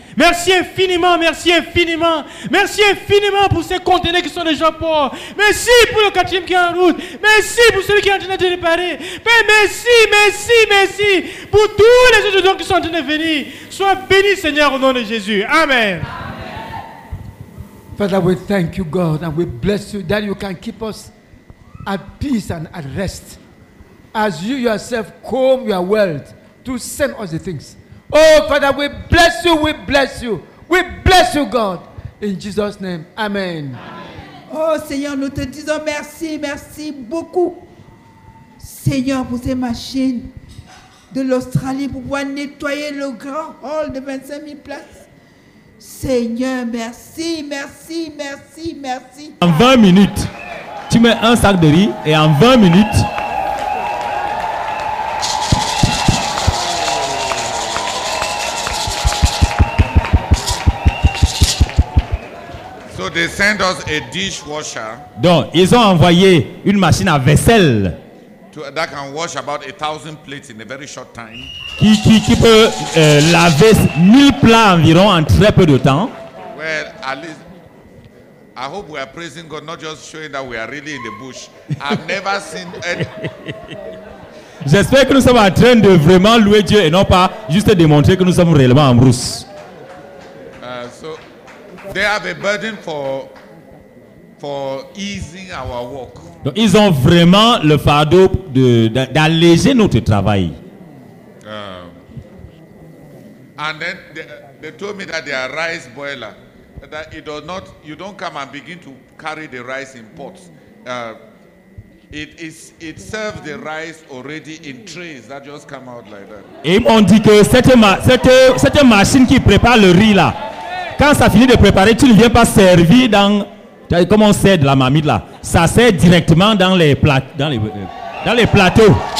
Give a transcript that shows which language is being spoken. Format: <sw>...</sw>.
<fr>Merci infiniment, merci infiniment. Merci infiniment pour ces conteneurs qui sont déjà pauvres. Merci pour le quatrième qui est en route. Merci pour celui qui est en train de réparer. Mais merci, merci, merci pour tous les autres qui sont en train de venir. Sois béni, Seigneur, au nom de Jésus. Amen.</fr> <en>Father, we thank you, God, and we bless you that you can keep us at peace and at rest. As you yourself comb your world to send us the things. Oh, Father, we bless you, we bless you, we bless you, God. In Jesus' name, amen.</en> <fr>Oh, Seigneur, nous te disons merci, merci beaucoup, Seigneur, pour ces machines de l'Australie pour pouvoir nettoyer le grand hall de 25 000 places. Seigneur, merci, merci, merci, merci. En 20 minutes, tu mets un sac de riz et en 20 minutes...</fr> <en>So they send us a dishwasher.</en> <fr>Donc, ils ont envoyé une machine à vaisselle.</fr> <en>That can wash about 1,000 plates in a very short time.</en> <fr>Qui peut laver 1,000 plats environ en très peu de temps.</fr> <en>Well, at least, I hope we are praising God, not just showing that we are really in the bush. I've never seen any.</en> <fr>J'espère que nous sommes en train de vraiment louer Dieu et non pas juste démontrer que nous sommes réellement en brousse.</fr> <en>So they have a burden for easing our work.</en> <fr>Donc, ils ont vraiment le fardeau d'alléger notre travail.</fr> <en>And then they told me that they are rice boiler, that it does not, you don't come and begin to carry the rice in pots. It serves the rice already in trays that just come out like that.</en> <fr>Et ils m'ont dit que cette machine qui prépare le riz là, quand ça finit de préparer, tu ne viens pas servir dans, comme on sert de la marmite là, ça sert directement dans les plateaux.</fr>